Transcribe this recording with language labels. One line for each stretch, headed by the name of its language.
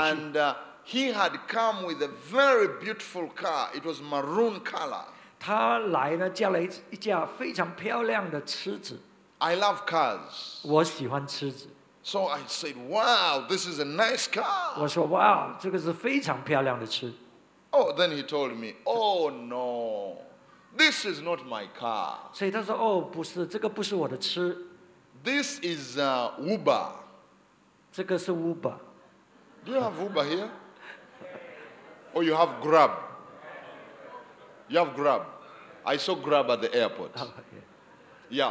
English: And he had come with a very beautiful car. It was maroon color.
Chinese: 他来呢，叫了一架非常漂亮的车子。
English: I love cars.
Chinese: 我喜欢车子。
English: So I said, "Wow, this is a nice car."
Chinese: 我说，哇，这个是非常漂亮的车。
English: Oh, then he told me, "Oh no, this is not my car."
Chinese: 所以他说，哦，不是，这个不是我的车。
English: This is Uber.
Chinese: 这个是 Uber.
English: Do you have Uber here? Or you have Grab? You have Grab. I saw Grab at the airport. Oh, yeah.